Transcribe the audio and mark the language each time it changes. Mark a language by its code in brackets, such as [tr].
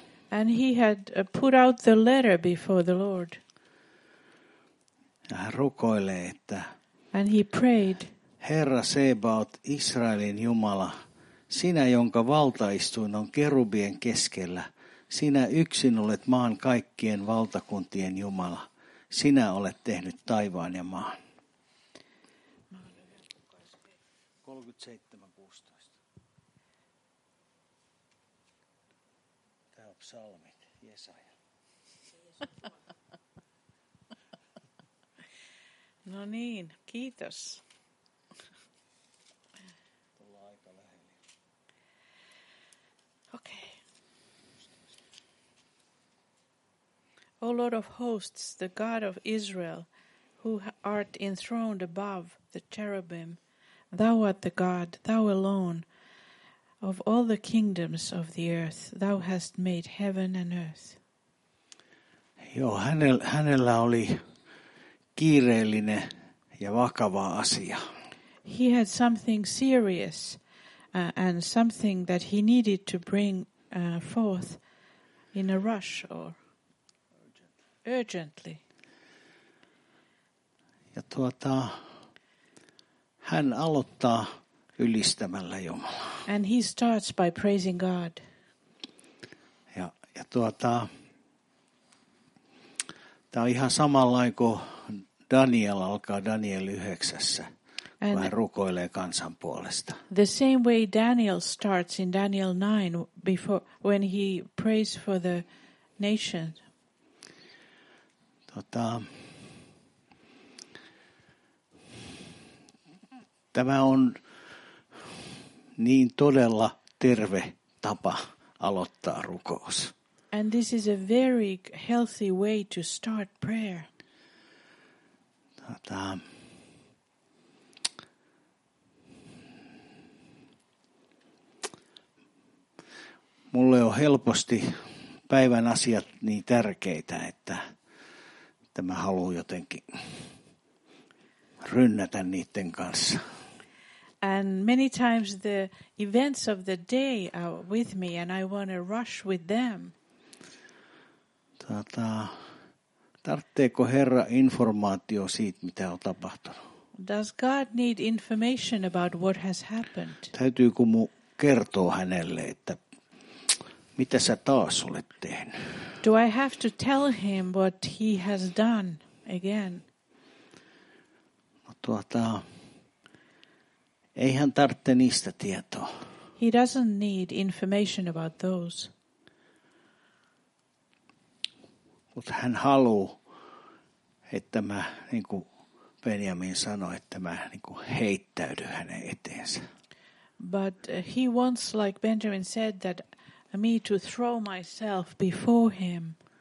[en] And he had put out the letter before the Lord. [fi] Ja hän rukoilee, että [en] and he prayed, [fi] Herra Sebaot, Israelin Jumala, sinä, jonka valtaistuin on kerubien keskellä, sinä yksin olet maan kaikkien valtakuntien Jumala. Sinä olet tehnyt taivaan ja maan. 37:16. Tämä on psalmit, Jesaja. No niin, kiitos. [en] Okay. O Lord of hosts, the God of Israel, who art enthroned above the cherubim, thou art the God, thou alone, of all the kingdoms of the earth, thou hast made heaven and earth. [fi] Joo, hänellä oli kiireellinen ja vakava asia. [en] He had something serious and something that he needed to bring forth in a rush or urgently. [fi] Ja hän aloittaa ylistämällä Jumalaa. [en] And he starts by praising God. [fi] Ja tämä on ihan samanlainen kuin Daniel alkaa Daniel 9:ssä, kun hän rukoilee kansan puolesta. [en] The same way Daniel starts in Daniel 9 before when he prays for the nation. [fi] Tämä on niin todella terve tapa aloittaa rukous. [en] And this is a very healthy way to start prayer. [fi] Mulle on helposti päivän asiat niin tärkeitä, että mä haluan jotenkin rynnätä niiden kanssa. [en] And many times the events of the day are with me and I want to rush with them. [fi] Tarvitseeko Herra informaatio siitä, mitä on tapahtunut? [en] Does God need information about what has happened? [fi] Täytyykö mun kertoa hänelle, että mitä sä taas olet tehnyt? [en] Do I have to tell him what he has done again? [fi] Ei hän tarvitse niistä tietoa. [en] He doesn't need information about those. [fi] Mut hän haluaa, että mä, niin kuin Benjamin sanoi, että mä niin kuin heittäydyn hänen eteensä. [en] But he wants, like Benjamin said, that me to throw myself before him.